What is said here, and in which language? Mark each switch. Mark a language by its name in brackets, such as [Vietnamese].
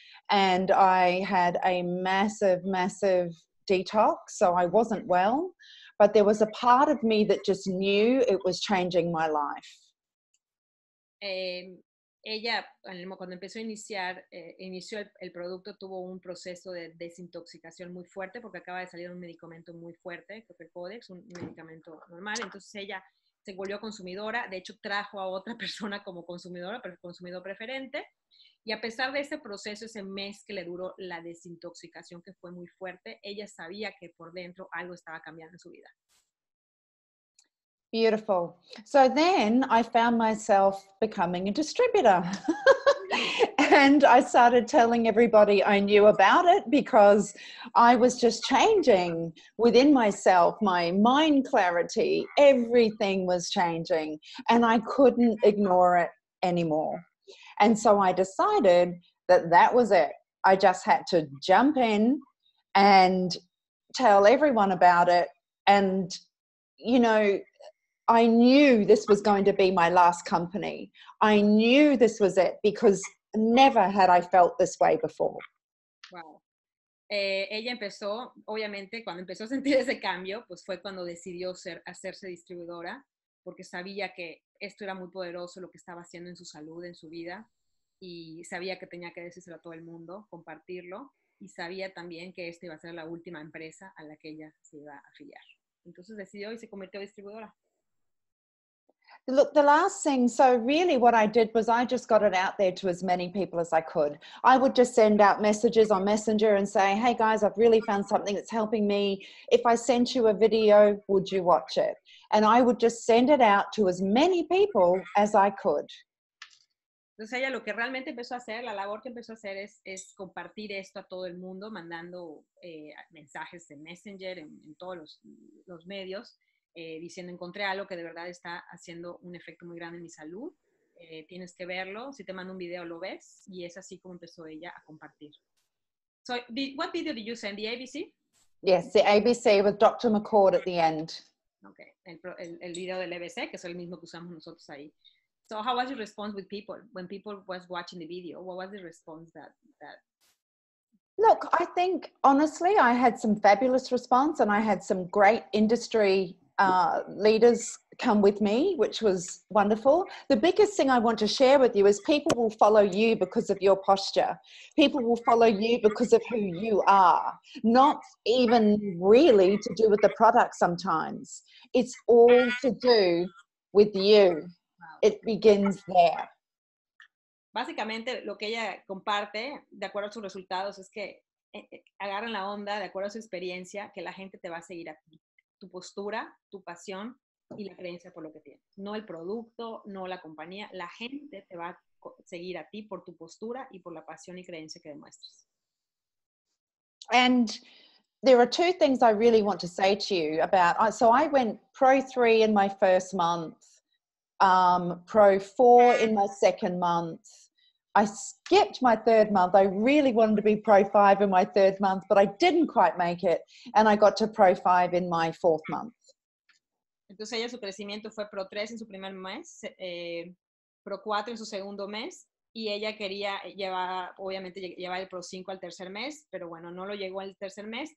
[English] And I had a massive, massive detox. So I wasn't well. But there was a part of me that just knew it was changing my life. [Spanish] Ella, cuando empezó a iniciar, inició el producto, tuvo un proceso de desintoxicación muy fuerte porque acaba de salir un medicamento muy fuerte, creo que el Codex, un medicamento normal. Entonces ella se volvió consumidora, de hecho trajo a otra persona como consumidora, pero consumidor preferente. Y a pesar de ese proceso, ese mes que le duró la desintoxicación, que fue muy fuerte, ella sabía que por dentro algo estaba cambiando en su vida. [English] Beautiful. So then I found myself becoming a distributor. And I started telling everybody I knew about it because I was just changing within myself, my mind clarity, everything was changing and I couldn't ignore it anymore. And so I decided that was it. I just had to jump in and tell everyone about it And, you know, I knew this was going to be my last company. I knew this was it because never had I felt this way before. Wow. [Spanish] Ella empezó, obviamente, cuando empezó a sentir ese cambio, pues fue cuando decidió hacerse distribuidora, porque sabía que esto era muy poderoso, lo que estaba haciendo en su salud, en su vida, y sabía que tenía que decírselo a todo el mundo, compartirlo, y sabía también que esta iba a ser la última empresa a la que ella se iba a afiliar. Entonces decidió y se convirtió en distribuidora. [English] Look, the last thing, so really what I did was I just got it out there to as many people as I could. I would just send out messages on Messenger and say, hey guys, I've really found something that's helping me. If I sent you a video, would you watch it? And I would just send it out to as many people as I could. [Spanish] Entonces ella lo que realmente empezó a hacer, la labor que empezó a hacer es compartir esto a todo el mundo, mandando mensajes de Messenger en todos los medios. Diciendo, encontré algo que de verdad está haciendo un efecto muy grande en mi salud. Tienes que verlo. Si te mando un video, lo ves. Y es así como empezó ella a compartir. [English] So, what video did you send? The ABC? Yes, the ABC with Dr. McCord at the end. [Spanish] Okay, el video del ABC, que es el mismo que usamos nosotros ahí. [English] So, how was your response with people? When people was watching the video, what was the response that? Look, I think, honestly, I had some fabulous response and I had some great industry leaders come with me, which was wonderful. The biggest thing I want to share with you is people will follow you because of your posture. People will follow you because of who you are, not even really to do with the product sometimes. It's all to do with you. It begins there. [Spanish] Básicamente, lo que ella comparte, de acuerdo a sus resultados, es que agarran la onda, de acuerdo a su experiencia, que la gente te va a seguir a ti. Tu postura, tu pasión y la creencia por lo que tienes. No el producto, no la compañía. La gente te va a seguir a ti por tu postura y por la pasión y creencia que demuestras. [English] And there are two things I really want to say to you about. So I went pro 3 in my first month, pro 4 in my second month. I skipped my third month. I really wanted to be pro 5 in my third month, but I didn't quite make it. And I got to pro 5 in my fourth month. [Spanish] Entonces ella su crecimiento fue pro 3 en su primer mes, pro 4 en su segundo mes. Y ella quería llevar el pro 5 al tercer mes, pero bueno, no lo llegó al tercer mes.